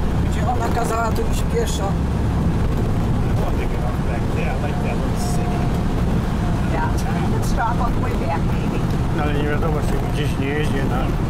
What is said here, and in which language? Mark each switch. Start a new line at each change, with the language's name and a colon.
Polish: Gdzie ona kazała, to już pieszo.
English: I like that little city. Yeah, we can stop on the way back, maybe.
Polish: Ale nie wiadomo, czy gdzieś nie jeździ na...